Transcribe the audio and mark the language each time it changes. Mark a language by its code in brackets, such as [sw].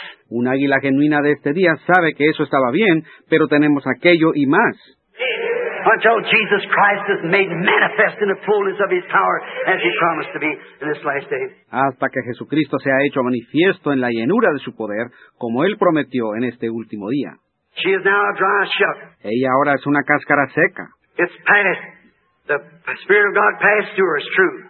[es] Un águila genuina de este día sabe que eso estaba bien, pero tenemos aquello y más. [en] Until Jesus Christ is made manifest in the fullness of His power, as He promised to be in this last day. [es] Hasta que Jesucristo se ha hecho manifiesto en la llenura de su poder, como Él prometió en este último día. [en] She is now a dry shuck. [es] Ella ahora es una cáscara seca. [en] It's past. The Spirit of God passed through her. It's true.